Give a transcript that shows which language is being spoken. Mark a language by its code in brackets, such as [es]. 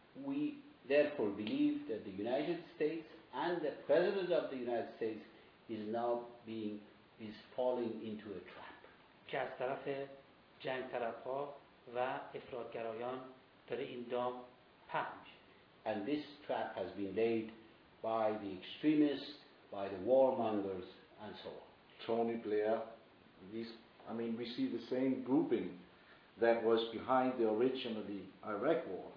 [en] We therefore believe that the United States and the President of the United States is falling into a trap. [fa] که از طرف جنگ طرف ها و افرادگرایان در این دام پهن میشه. [en] And this trap has been laid by the extremists, by the warmongers and so on. Tony Blair, we see the same grouping that was behind the origin of the Iraq war.